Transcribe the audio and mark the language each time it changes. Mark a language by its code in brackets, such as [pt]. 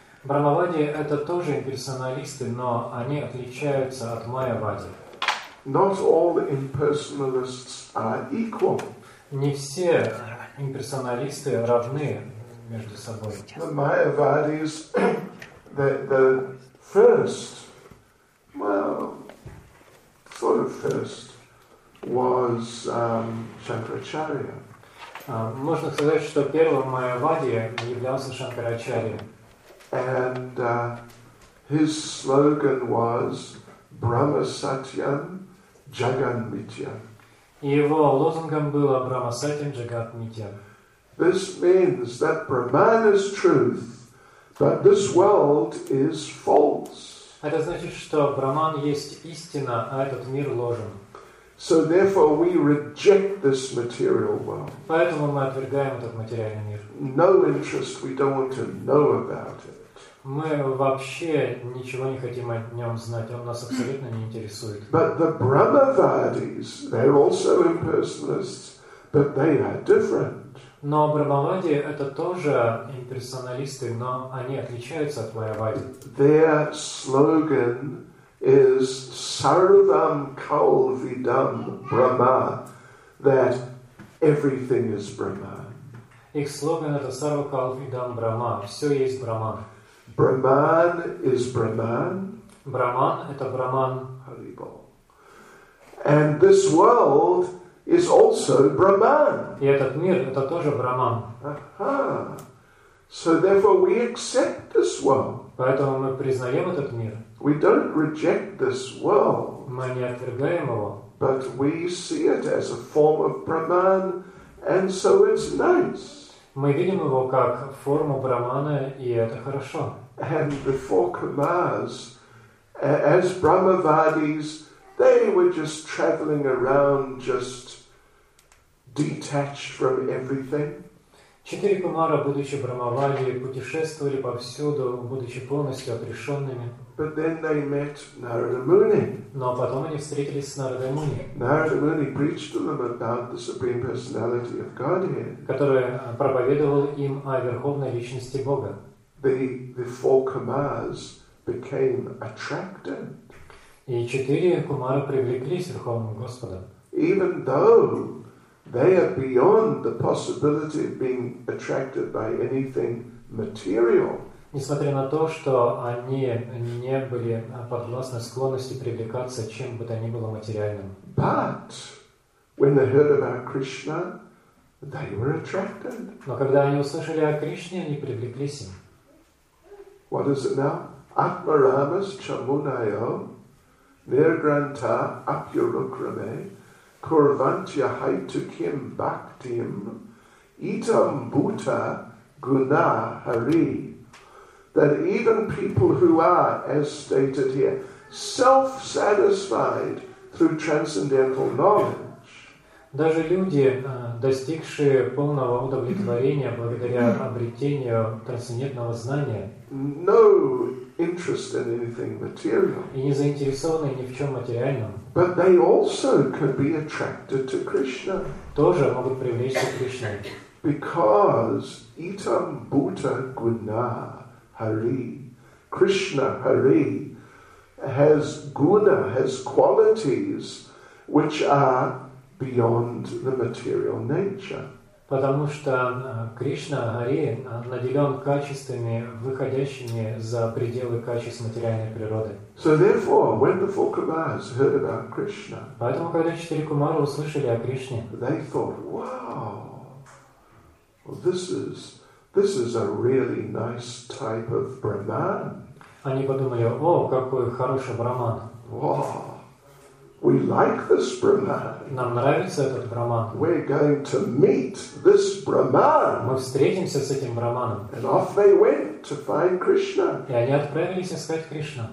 [ru] Брахмавади это тоже имперсоналисты, но они отличаются от майявади. [en] Not all impersonalists are equal. [ru] Не все имперсоналисты равны между собой. [en] The Mayavadis, the first, sort of first, was Shankaracharya. [ru] Можно сказать, что первым майявади являлся Шанкарачарья. [en] And his slogan was [sa] Brahma Satyam Jagat Mithya. [ru] Его лозунгом было [sa] Брахма Сатьям Джагат Митья. [en] This means that Brahman is truth, but this world is false. [ru] Это значит, что Брахман есть истина, а этот мир ложен. [en] So therefore we reject this material world. [ru] Поэтому мы отвергаем этот материальный мир. [en] No interest, we don't want to know about it. [ru] Мы вообще ничего не хотим о нем знать, он нас абсолютно не интересует. [en] But the Brahmavadis, they're also impersonalists, but they are different. [ru] Но Брахмавади это тоже имперсоналисты, но они отличаются от Майявади. [en] Their slogan is [sa] Sarvam Kalvidam Brahma, [en] that everything is Brahma. [ru] Их слоган это [sa] Sarva Kalvidam Brahma, [ru] все есть Брахман. [en] Brahman is Brahman. [ru] Brahman это Brahman. [en] Haribol. And this world is also Brahman. [ru] И этот мир это тоже Brahman. [en] So therefore we accept this world. [ru] Поэтому мы признаем этот мир. [en] We don't reject this world. [ru] Мы не отвергаем его. [en] But we see it as a form of Brahman, and so it's nice. [ru] Мы видим его как форму брахмана, и это хорошо. [en] And the four kumars, as brahmavadis, they were just traveling around, just detached from everything. [ru] Четыре кумара, будучи брахмавади, путешествовали повсюду, будучи полностью отрешенными. [en] But then they met Narada Muni. [ru] Но потом они встретились с Нарадой Муни. [en] Narada Muni preached to them about the Supreme Personality of Godhead. [ru] Который проповедовал им о Верховной Личности Бога. [en] The four kumars became attracted. [ru] И четыре кумара привлеклись к Верховному Господу. [en] Even though they are beyond the possibility of being attracted by anything material. [ru] Несмотря на то, что они не были подвластны склонности привлекаться чем бы то ни было материальным. [en] But when they heard about Krishna, they were attracted. [ru] Но когда они услышали о Кришне, они привлеклись им. [en] What is it now? [sa] Atmaramas chamunayo nirgranta apyurukrame kurvantya haitukim bhaktim itam bhuta guna hari. [en] That even people who are, as stated here, self-satisfied through transcendental knowledge. [ru] Даже люди, достигшие полного удовлетворения благодаря обретению трансцендентного знания. [en] No interest in anything material. [ru] И не заинтересованы ни в чем материальном. [en] But they also could be attracted to Krishna. [ru] Тоже могут привлечься к Кришне. [en] Because [sa] itam bhuta guna. Hari. [en] Krishna Hari has guna, has qualities which are beyond the material nature. [ru] Потому что Кришна Хари наделен качествами, выходящими за пределы качеств материальной природы. [en] So therefore, when the four Kumaras heard about Krishna, [ru] поэтому когда четыре Кумары услышали о Кришне, [en] they thought, "Wow, well, this is a really nice type of Brahman." [ru] Они подумали: "О, какой хороший Брахман!" [en] We like this Brahman. [ru] Нам нравится этот Брахман. [en] We're going to meet this Brahman. [ru] Мы встретимся с этим Брахманом. [en] And off they went to find Krishna. [ru] И они отправились искать Кришну.